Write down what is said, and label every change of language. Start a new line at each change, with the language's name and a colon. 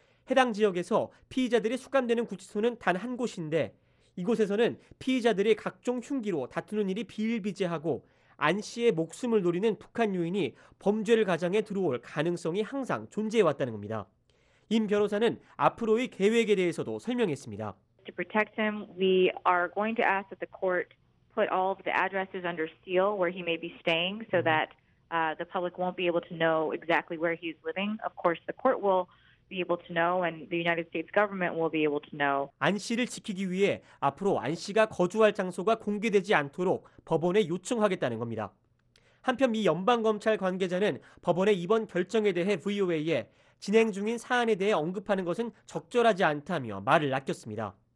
Korean: 해당 지역에서 피의자들이 수감되는 구치소는 단 한 곳인데 이곳에서는 피의자들이 각종 흉기로 다투는 일이 비일비재하고 안 씨의 목숨을 노리는 북한 요인이 범죄를 가장해 들어올 가능성이 항상 존재해왔다는 겁니다. 임 변호사는 앞으로의 계획에 대해서도 설명했습니다.
English: To protect him, we are going to ask that the court put all of the addresses under seal where he may be staying so that the public won't be able to know exactly where he's living. Of course, the court will be able to know and the United States government will be able to know.
Korean: 안 씨를 지키기 위해 앞으로 안 씨가 거주할 장소가 공개되지 않도록 법원에 요청하겠다는 겁니다. 한편 미 연방검찰 관계자는 법원의 이번 결정에 대해 VOA에 진행 중인 사안에 대해 언급하는 것은 적절하지 않다며 말을 아꼈습니다.